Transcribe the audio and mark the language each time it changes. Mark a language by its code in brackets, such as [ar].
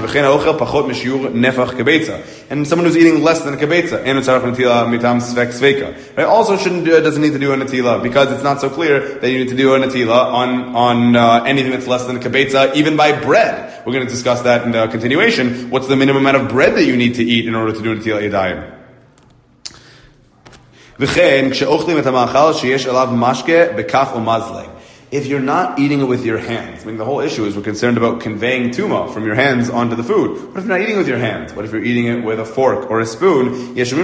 [he] V'chein ha'ochel pachot mishiur nefach kebeitza. [en] And someone who's eating less than a [he] kebeitza, enu tzarech natila mitam svek sveka. [en] Right, also doesn't need to do a natila because it's not so clear that you need to do a natila on anything that's less than a kebeitza, even by bread. We're going to discuss that in the continuation. What's the minimum amount of bread that you need to eat in order to do natila yadayim? [he] וכן, כשאוכלים את המאכל שיש עליו משקה בכף ומזלג. [en] If you're not eating it with your hands, I mean, the whole issue is we're concerned about conveying tuma from your hands onto the food. What if you're not eating it with your hands? What if you're eating it with a fork or a spoon?